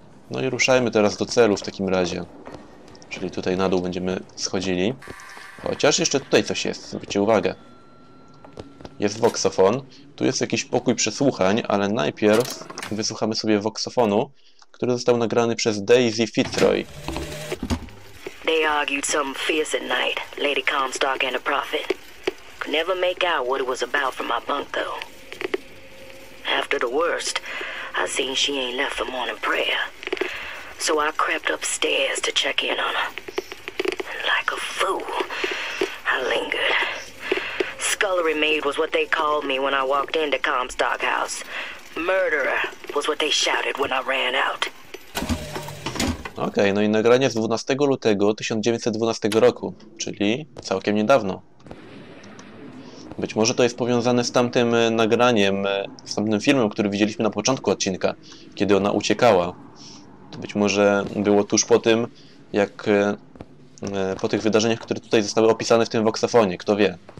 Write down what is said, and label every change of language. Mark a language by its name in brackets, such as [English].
[Polish] No i ruszajmy teraz do celu w takim razie. Czyli tutaj na dół będziemy schodzili. Chociaż jeszcze tutaj coś jest, zwróćcie uwagę. Jest voxofon. Tu jest jakiś pokój przesłuchań, ale najpierw wysłuchamy sobie voxofonu, który został nagrany przez Daisy Fitzroy. [English] They argued some fierce at night, Lady Comstock and a prophet. Could never make out what it was about from my bunk though. After the worst, I seen she ain't left for morning prayer. So I crept upstairs to check in on her. Like a fool, I lingered. Scullery maid was what they called me when I walked into Comstock House. Murderer was what they shouted when I ran out. [Polish] Okej, no i nagranie z 12 lutego 1912 roku, czyli całkiem niedawno. Być może to jest powiązane z tamtym nagraniem, z tamtym filmem, który widzieliśmy na początku odcinka, kiedy ona uciekała. To być może było tuż po tym, jak po tych wydarzeniach, które tutaj zostały opisane w tym voxofonie, kto wie.